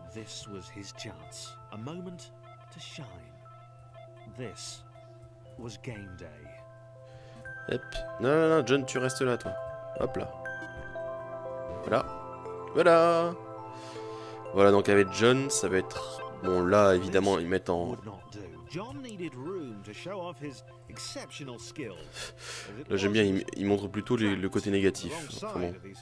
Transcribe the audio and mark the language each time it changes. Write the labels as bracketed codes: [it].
[en] This was his chance. A moment to shine. This was game day. Hop. [fr] Non, John, tu restes là, toi. Hop là. Voilà. Voilà. Voilà, donc avec John, ça va être... Bon, là, évidemment, ils mettent en... [en] John needed room to show off his exceptional skills. [fr] Là, j'aime bien, il montre plutôt le côté négatif. Enfin, bon.